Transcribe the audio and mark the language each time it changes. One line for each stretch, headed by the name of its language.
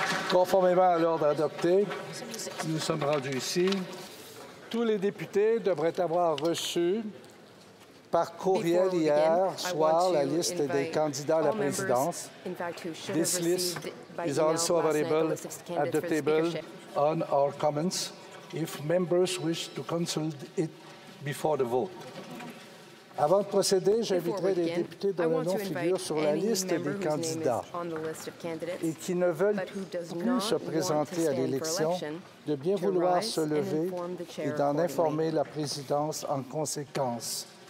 French: Conformément à l'ordre adopté, nous sommes rendus ici. Tous les députés devraient avoir reçu par courriel hier soir la liste des candidats à la présidence.
English: This list is also available at the table on our comments if members wish to consult it before the vote.
French: Avant de procéder, j'inviterai les députés dont le nom figure sur la liste des candidats et qui ne veulent plus se présenter à l'élection de bien vouloir se lever et d'en informer la présidence en conséquence.